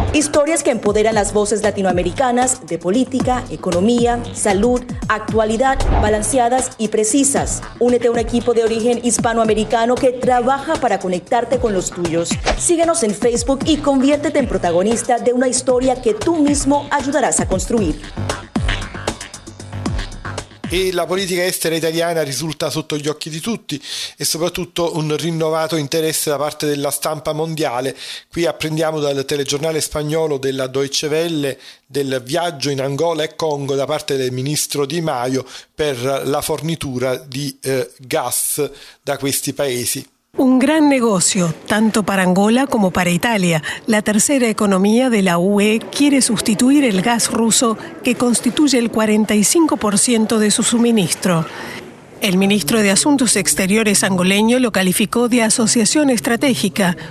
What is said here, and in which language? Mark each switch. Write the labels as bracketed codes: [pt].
[es] Historias que empoderan las voces latinoamericanas de política, economía, salud, actualidad, balanceadas y precisas. Únete a un equipo de origen hispanoamericano que trabaja para conectarte con los tuyos. Síguenos en Facebook y conviértete en protagonista de una historia que tú mismo ayudarás a construir. [it] E la politica estera italiana risulta sotto gli occhi di tutti e soprattutto un rinnovato interesse da parte della stampa mondiale. Qui apprendiamo dal telegiornale spagnolo della Deutsche Welle del viaggio in Angola e Congo da parte del ministro Di Maio per la fornitura di gas da questi paesi. [es] Un gran negocio, tanto para Angola como para Italia. La tercera economía de la UE quiere sustituir el gas ruso, que constituye el 45% de su suministro. El ministro de Asuntos Exteriores angoleño lo calificó de asociación estratégica.